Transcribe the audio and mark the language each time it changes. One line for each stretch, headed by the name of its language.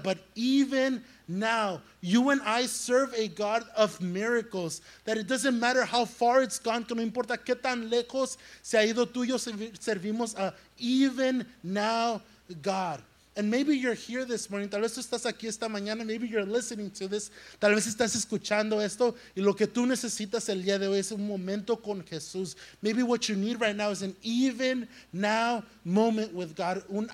English: But even now, you and I serve a God of miracles. That it doesn't matter how far it's gone.
Spanish: Que no importa qué tan lejos se ha ido tuyo. Servimos a
English: even now God. And maybe you're here this morning.
Spanish: Tal vez tú estás aquí esta mañana.
English: Maybe you're listening to this.
Spanish: Tal vez estás escuchando esto. Y lo que tú necesitas el día de hoy es un momento con Jesús.
English: Maybe what you need right now is an even now moment with God.